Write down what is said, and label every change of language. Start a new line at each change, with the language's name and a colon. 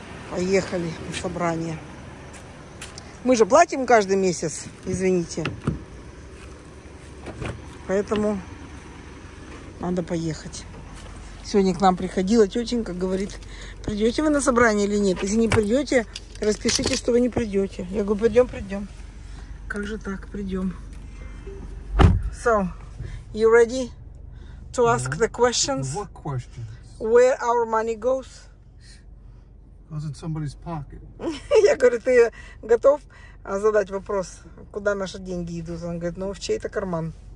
Russian: Поехали на собрание. Мы же платим каждый месяц, извините. Поэтому надо поехать. Сегодня к нам приходила тетенька, говорит, придете вы на собрание или нет? Если не придете, распишите, что вы не придете. Я говорю, придем, придем. Как же так, придем.
English: So, you ready to ask the questions? What question? Where our money goes? Goes in somebody's pocket.
Russian: Я говорю, ты готов задать вопрос, куда наши деньги идут? Он говорит, ну в чей-то карман.